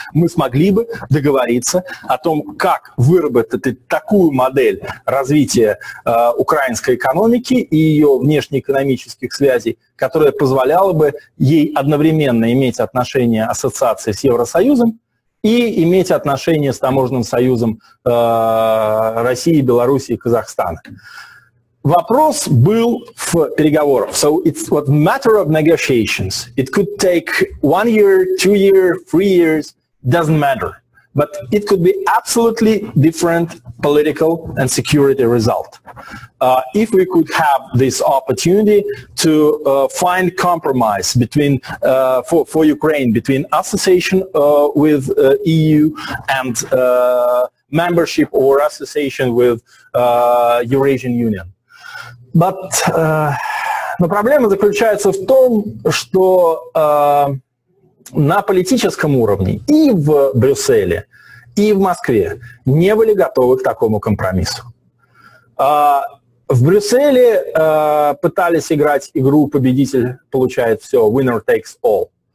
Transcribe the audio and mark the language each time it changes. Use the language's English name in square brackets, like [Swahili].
[Russian] мы смогли бы договориться о том, как выработать такую модель развития украинской экономики и ее внешнеэкономических связей, которая позволяла бы ей одновременно иметь отношение ассоциации с Евросоюзом и иметь отношения с таможенным союзом России, Белоруссии и Казахстана. Вопрос был в переговорах. [English] So it's what matter of negotiations. It could take 1 year, 2 year, 3 years, doesn't matter. But it could be absolutely different political and security result. If we could have this opportunity to find compromise between for Ukraine, between association with EU and membership or association with Eurasian Union. But the problem [Russian] заключается в том, что на политическом уровне и в Брюсселе, и в Москве не были готовы к такому компромиссу. В Брюсселе пытались играть игру «победитель получает все», [English] «winner takes all».